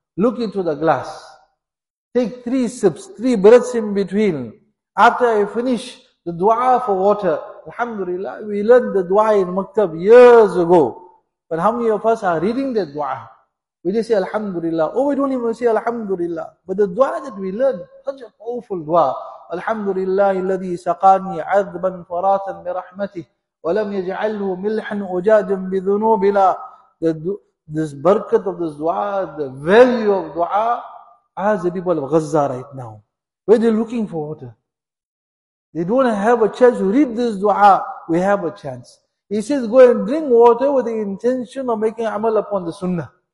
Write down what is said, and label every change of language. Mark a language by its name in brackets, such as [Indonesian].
[English] Look into the glass. Take 3 sips, 3 breaths in between. After I finish the dua for water, alhamdulillah, we learned the dua in Maktab years ago. But how many of us are reading that dua? We just say alhamdulillah. Oh, we don't even say alhamdulillah. But the dua that we learned, such a powerful dua. [Arabic] Alhamdulillah, الذي سقاني عذبا فراتا برحمته ولم يجعله ملحا أجاجا بذنوبنا. [English] This barakat of this dua, the value of dua, as the people of Gaza right now. Where they're looking for water. They don't have a chance to read this dua. We have a chance. He says, go and drink water with the intention of making amal upon the sunnah.